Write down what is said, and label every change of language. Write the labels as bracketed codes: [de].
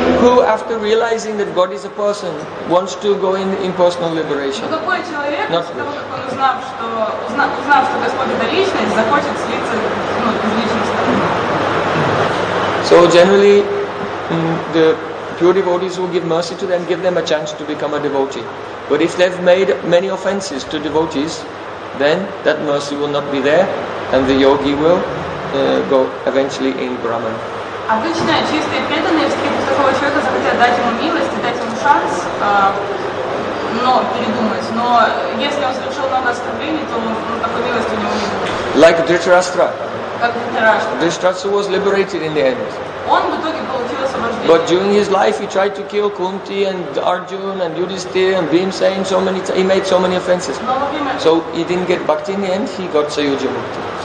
[en] Who, after realizing that God is a person, wants to go in impersonal liberation? [ru] Но какой человек, после того, как он узнав, что Господь это личность, захочет слиться, ну, без личности? [en] So generally, the pure devotees will give mercy to them, give them a chance to become a devotee. But if they've made many offenses to devotees, then that mercy will not be there, and the yogi will go eventually in Brahman. [ru] Обычно чистые преданные встретят такого человека, захотят дать ему милость и дать ему шанс, но передумать. Но если он совершил много оскорблений, то такой милости у него не будет. [en] Like Dhritarashtra. [ru] Как Dhritarashtra. [en] Dhritarashtra was liberated in the end. [ru] Он в итоге получил освобождение. [en] But during his life he tried to kill Kunti and Arjuna and Yudhisthira and Bhimsena, so many he made so many offenses. So he didn't get bhakti in the end, he got Sayujya Bhakti.